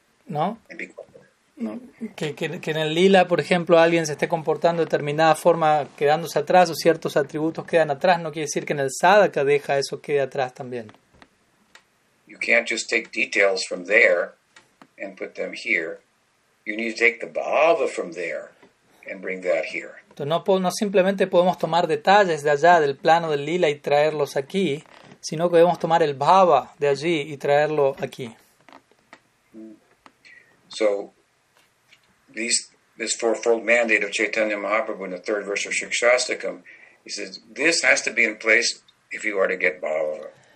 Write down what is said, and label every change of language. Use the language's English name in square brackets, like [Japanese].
[Spanish] No. No. Que en el lila, por ejemplo, alguien se esté comportando de determinada forma, quedándose atrás, o ciertos atributos quedan atrás, no quiere decir que en el sadhaka deha eso quede atrás también. [English] You can't just take details from there and put them here. You need to take the bhava from there and bring that here. [Spanish] No simplemente podemos tomar detalles de allá, del plano del lila, y traerlos aquí, sino que debemos tomar el bhava de allí y traerlo aquí. [English] So, this fourfold mandate of Chaitanya Mahaprabhu in the third verse of Shikshastakam, he says, this has to be in place if you are to get bhava.